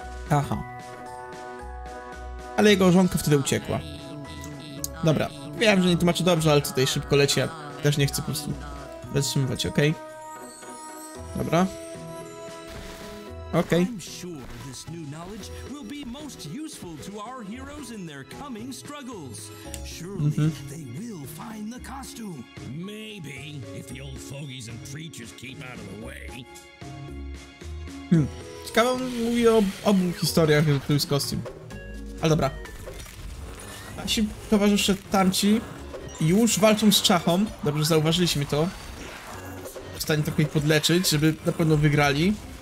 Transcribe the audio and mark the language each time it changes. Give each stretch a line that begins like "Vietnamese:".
Polish: Aha. Ale jego żonka wtedy uciekła. Dobra, wiem, że nie tłumaczę dobrze, ale tutaj szybko leci, ja też nie chcę po prostu wytrzymywać, okej? Okay? Dobra. Okej.
English: I'm sure this new knowledge will be most useful to our heroes in their coming struggles. Surely they will find the costume. Maybe if the old fogies and creatures keep out of the way.
Polish: Ciekawe, mówi o obu historiach, jak to jest kostium. Ale dobra. Nasi towarzysze tamci już walczą z czachą. Dobrze, zauważyliśmy to. W stanie trochę ich podleczyć, żeby na pewno wygrali.